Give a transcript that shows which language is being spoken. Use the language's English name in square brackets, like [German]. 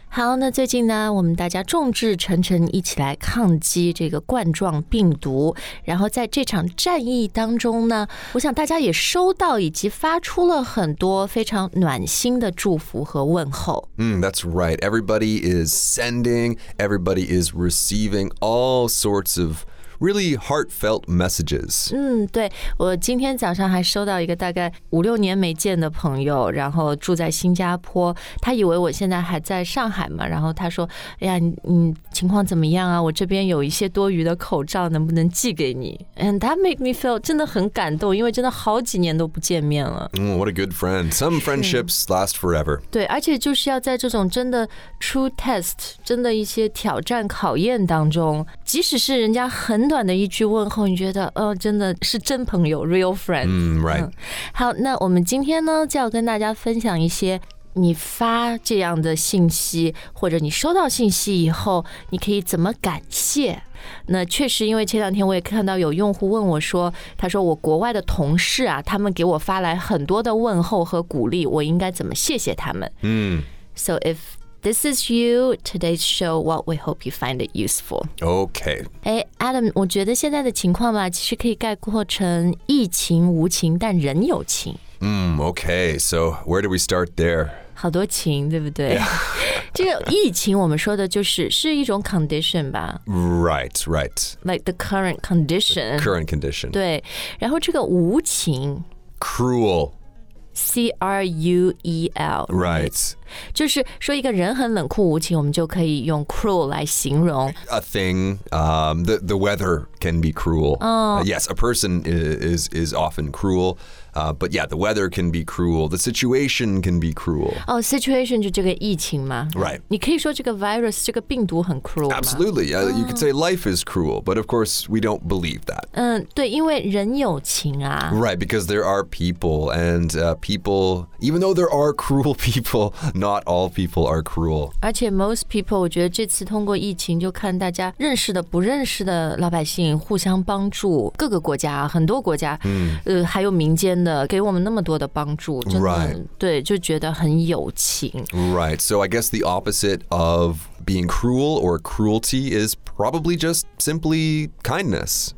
[Chinese] 好，那最近呢，我们大家众志成城一起来抗击这个冠状病毒。然后在这场战役当中呢，我想大家也收到以及发出了很多非常暖心的祝福和问候。 [English] That's right. Everybody is sending. Everybody is receiving all sorts of. Really heartfelt messages. [Chinese] 对，我今天早上还收到一个大概五六年没见的朋友，然后住在新加坡。他以为我现在还在上海嘛，然后他说：“哎呀，你情况怎么样啊？我这边有一些多余的口罩，能不能寄给你？” [English] And that made me feel [Chinese] 真的很感动，因为真的好几年都不见面了。 [English] What a good friend. Some friendships last forever. [Chinese] 对，而且就是要在这种真的 [English] true test， [Chinese] 真的一些挑战考验当中，即使是人家很很短的一句问候，你觉得真的是真朋友 ， [English] real friend。 Right. [Chinese] 好，那我们今天呢，就要跟大家分享一些你发这样的信息，或者你收到信息以后，你可以怎么感谢。那确实，因为前两天我也看到有用户问我说，他说我国外的同事啊，他们给我发来很多的问候和鼓励，我应该怎么谢谢他们？ [English] So if this is you, today's show, what we hope you find it useful. Okay. [Chinese] Hey, Adam, 我觉得现在的情况吧，其实可以概括成疫情无情，但人有情。 [English] Okay, so where do we start there? [Chinese] 好多情，对不对？ [English] Yeah. [Chinese] 这个疫情我们说的就是一种 condition 吧。 [English] Right, right. Like the current condition. The current condition. [Chinese] 对，然后这个无情。 [English] Cruel. C-R-U-E-L. Right. [Chinese] 就是说一个人很冷酷无情，我们就可以用 cruel 来形容。 [English] A thing, the weather can be cruel. Yes, a person is often cruel. But yeah, the weather can be cruel. The situation can be cruel. [Chinese] Situation 就这个疫情吗？ [English] Right. [Chinese] 你可以说这个 virus, 这个病毒很 cruel 吗？ [English] Absolutely. You could say life is cruel. But of course, we don't believe that. [Chinese] 对，因为人有情啊。 [English] Right, because there are people. And people, even though there are cruel people, not all people are cruel. [Chinese] 而且 [English] most people, [Chinese] 我觉得这次通过疫情就看大家认识的不认识的老百姓互相帮助各个国家很多国家、还有民间给我们那么多的帮助真的、 [English] right. [Chinese] 对就觉得很有情 [English] Right, so I guess the opposite of being cruel or cruelty is probably just simply kindness